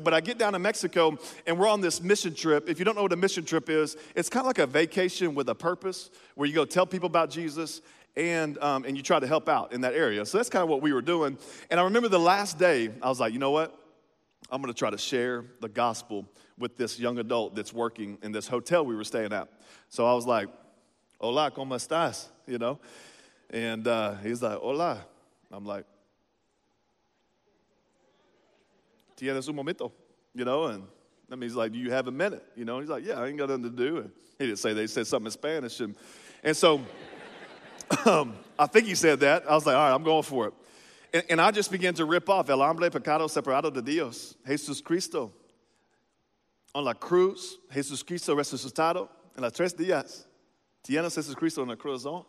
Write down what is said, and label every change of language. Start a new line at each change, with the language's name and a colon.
English: But I get down to Mexico, and we're on this mission trip. If you don't know what a mission trip is, it's kind of like a vacation with a purpose where you go tell people about Jesus, and you try to help out in that area. So that's kind of what we were doing. And I remember the last day, I was like, you know what? I'm going to try to share the gospel with this young adult that's working in this hotel we were staying at. So I was like,
Spanish: hola, ¿cómo estás?
English: You know? And he's like, hola. I'm like,
Spanish: ¿tienes un momento?
English: You know, and I mean, he's like, do you have a minute? You know, and he's like, yeah, I ain't got nothing to do. And he didn't say that. He said something in Spanish. And so I think he said that. I was like, all right, I'm going for it. And I just began to rip off,
Spanish: el hombre pecado separado de Dios, Jesús Cristo, on la cruz, Jesús Cristo resucitado, en las tres días, tienes Jesús Cristo en la cruz.